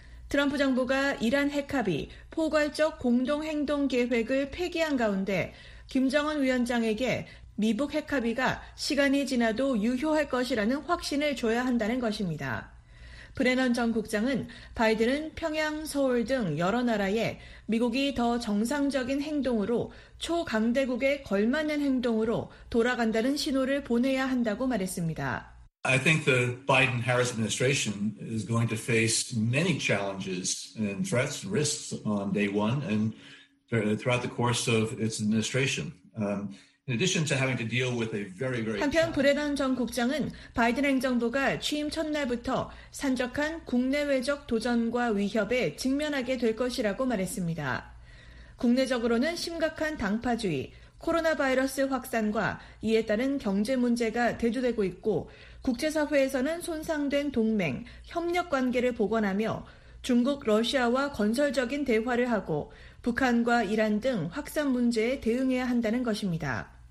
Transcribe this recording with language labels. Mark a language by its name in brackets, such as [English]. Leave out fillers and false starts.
[Korean] 트럼프 정부가 이란 핵합의 포괄적 공동행동 계획을 폐기한 가운데 김정은 위원장에게 미북 핵합의가 시간이 지나도 유효할 것이라는 확신을 줘야 한다는 것입니다. 브레넌 전 국장은 바이든은 평양, 서울 등 여러 나라에 미국이 더 정상적인 행동으로 초강대국에 걸맞는 행동으로 돌아간다는 신호를 보내야 한다고 말했습니다. [English] I think the Biden-Harris administration is going to face many challenges and threats and risks on day one and throughout the course of its administration. In addition to having to deal with a very, very [Korean] 한편 브레넌 전 국장은 바이든 행정부가 취임 첫날부터 산적한 국내외적 도전과 위협에 직면하게 될 것이라고 말했습니다. 국내적으로는 심각한 당파주의, 코로나 바이러스 확산과 이에 따른 경제 문제가 대두되고 있고 국제사회에서는 손상된 동맹, 협력 관계를 복원하며 중국, 러시아와 건설적인 대화를 하고 북한과 이란 등 확산 문제에 대응해야 한다는 것입니다.